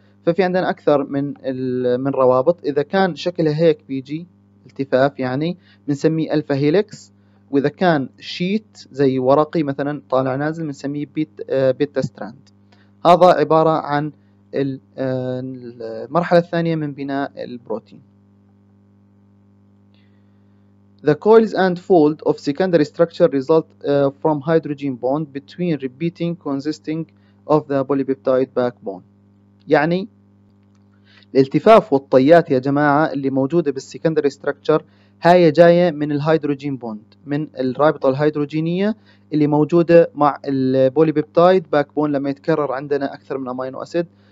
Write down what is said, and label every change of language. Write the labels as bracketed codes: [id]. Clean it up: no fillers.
[ar] ففي عندنا اكثر من روابط، اذا كان شكلها هيك بيجي التفاف يعني بنسميه الفا هيليكس، واذا كان شيت زي ورقي مثلا طالع نازل بنسميه بيتا ستراند. هذا عباره عن المرحلة الثانية من بناء البروتين. [en] The coils and fold of secondary structure result from hydrogen bond between repeating consisting of the polypeptide backbone. [ar] يعني الالتفاف والطيات يا جماعة اللي موجودة بالsecondary structure هاي جاية من الهيدروجين بوند، من الرابطة الهيدروجينية اللي موجودة مع البوليبيبتايد backbone لما يتكرر عندنا أكثر من أمينو أسيد.